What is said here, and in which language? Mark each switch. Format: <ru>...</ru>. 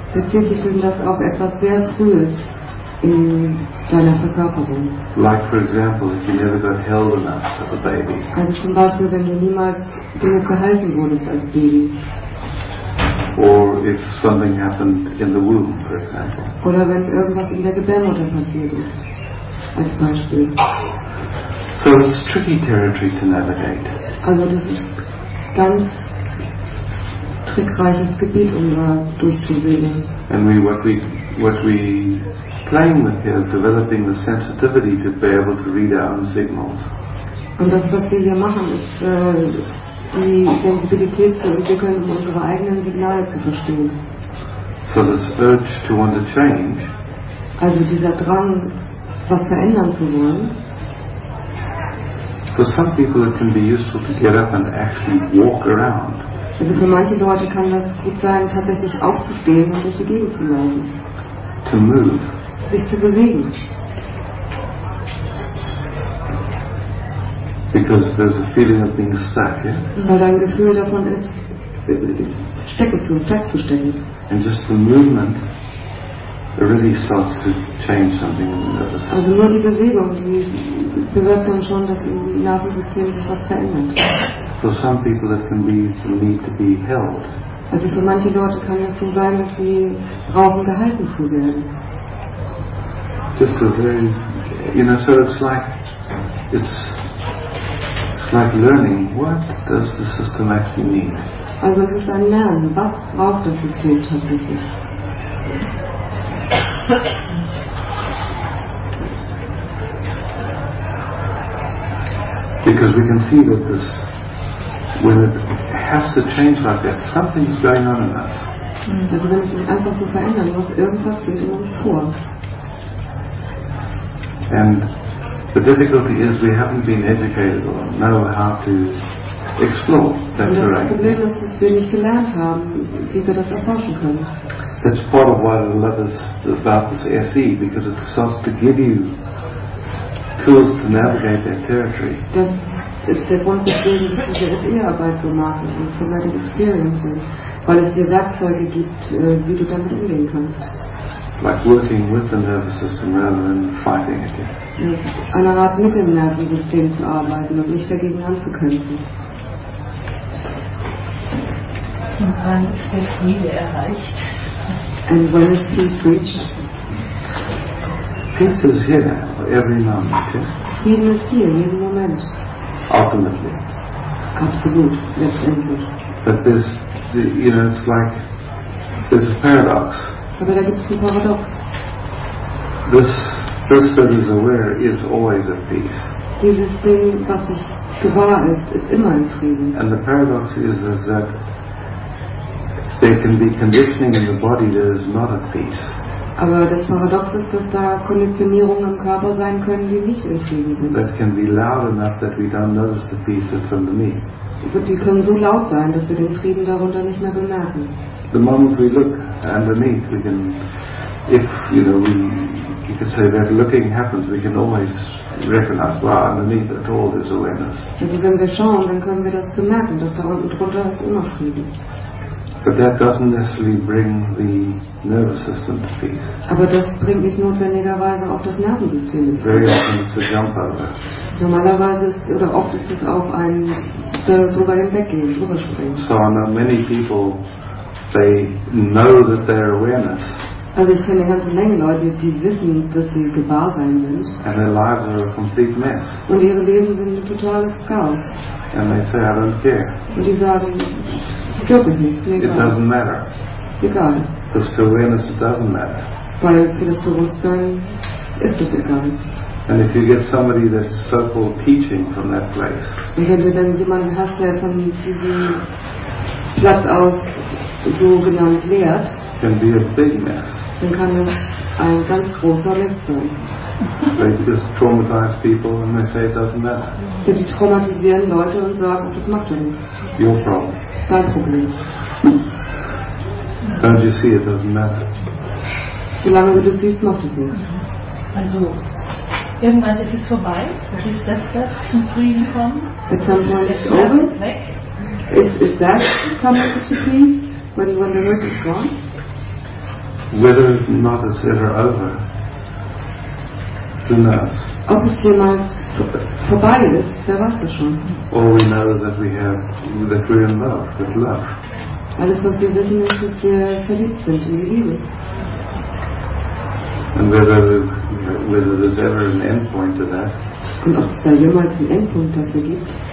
<de>Bezieht sich denn das auf etwas sehr Frühes in deiner Verkörperung?</de> <en>Like for example, if you never got held enough as a baby.</en> <de>Also zum Beispiel, wenn du niemals genug gehalten wurdest als Baby.</de> <en>Or if something happened in the womb, for example.</en> <de>Oder wenn irgendwas in der Gebärmutter passiert ist, als Beispiel.</de> <en>So it's tricky territory to navigate.</en> <de>Also das ist ganz trickreiches Gebiet, um da durchzusehen.</de> <en>And what we playing with here, developing the sensitivity to be able to read our own signals.</en> <de>Und das, was wir hier machen, ist die Sensibilität zu entwickeln, um unsere eigenen Signale zu verstehen.</de> <en>So this urge to want to change.</en> <de>Also dieser Drang, was verändern zu wollen.</de> <en>For some people, it can be useful to get up and actually walk around.</en> <de>Also für manche Leute kann das gut sein, tatsächlich aufzustehen und durch die Gegend zu laufen.</de> <en>To move.</en> <de>Sich zu bewegen.</de> <en>Because there's a feeling of being stuck, yeah?</en> <de>Weil ein Gefühl davon ist, Stecke zu, festzustellen.</de> <en>And just the movement really starts to change something in the nervous system.</en> <de>Also nur die Bewegung, die bewirkt dann schon, dass im Nervensystem sich was verändert.</de> <en>For some people that can be the need to be held.</en> <de>Also für manche Leute kann es so sein, dass sie brauchen, gehalten zu werden.</de> <en>Just a very, you know, so it's like learning, what does the system actually mean?</en> <de>Also es ist ein Lernen, was braucht das System tatsächlich?</de> <en>Because we can see that this, when it has to change like that, something's going on in us.</en> <de>Also wenn es sich einfach so verändern muss, irgendwas geht in uns vor.</de> <en>And the difficulty is we haven't been educated or know how to explore that terrain.</en> <de>Und das Problem ist, dass wir nicht gelernt haben, wie wir das erforschen können.</de> <en>That's part of why I love us about this SE, because it starts to give you tools to navigate that territory.</en> <de>Das ist der Grund, weswegen wir diese SE-Arbeit so machen und somatic experiences, weil es dir Werkzeuge gibt, wie du damit umgehen kannst.</de> <en>Like working with the nervous system rather than fighting it.</en> <de>Es ist eine Art, mit dem Nervensystem zu arbeiten und nicht dagegen anzukämpfen. Und wann ist der Friede erreicht?</de> <en>And when is peace reached? Peace is here every moment, yeah?</en> <de>Frieden ist hier, jeden Moment.</de> <en>Ultimately.</en> <de>Absolut, letztendlich.</de> <en>But there's, you know, it's like, there's a paradox.</en> <de>Aber da gibt es ein Paradox.</de> <en>This that is aware is always at peace.</en> <de>Dieses Ding, was ich gewahr ist, ist immer in Frieden.</de> <en>And the paradox is that there can be conditioning in the body that is not at peace.</en> <de>Aber das Paradox ist, dass da Konditionierungen im Körper sein können, die nicht in Frieden sind.</de> <en>That can be loud enough that we don't notice the peace that's underneath.</en> <de>Also die können so laut sein, dass wir den Frieden darunter nicht mehr bemerken.</de> <en>The moment we look underneath, we can, if you know, we, you could say that looking happens, we can always recognize, wow, underneath at all there's awareness.</en> <de>Also wenn wir schauen, dann können wir das bemerken, dass da unten drunter ist immer Frieden.</de> <en>But that doesn't necessarily bring the nervous system to peace.</en> <de>Aber das bringt nicht notwendigerweise auch das Nervensystem.</de> <en>Very often it's a jump over.</en> <de>Normalerweise ist, oder oft ist es auch ein drüber hinweggehen, drüber springen.</de> <en>So I know many people, they know that they're awareness.</en> <de>Also ich kenne eine ganze Menge Leute, die wissen, dass sie gewahr sein sind.</de> <en>And their lives are a complete mess.</en> <de>Und ihre Leben sind ein totales Chaos.</de> <en>And they say, I don't care.</en> <de>Und die sagen,</de> <en>it doesn't matter. It's</en> <de>egal.</de> <en>Because to awareness it doesn't matter.</en> <de>Weil für das Bewusstsein ist es egal.</de> <en>And if you get somebody that's so-called teaching from that place.</en> <de>Und wenn du dann jemanden hast, der von diesem Platz aus so genannt lehrt,</de> <en>can be a big mess.</en> <de>Dann kann das ein ganz großer Mist sein.</de> <en>They just traumatize people and they say it doesn't matter.</en> <de>Die traumatisieren Leute und sagen, das macht ja nichts.</de> <en>Your problem.</en> <de>Dein Problem.</de> <en>Don't you see, it doesn't matter.</en> <de>Solange du das siehst, macht es nichts. Also, irgendwann ist es vorbei. Und ist das zum Frieden kommen?</de> <en>At some point it's over. Is that coming to peace when the work is gone? Whether or not it's ever over, who knows?</en> <de>Ob es jemals vorbei ist, wer weiß das schon?</de> <en>All we know is that that we're in love, with love.</en> <de>Alles, was wir wissen, ist, dass wir verliebt sind in die Liebe.</de> <en>And whether there's ever an endpoint to that.</en> <de>Und ob es da jemals einen Endpunkt dafür gibt?</de>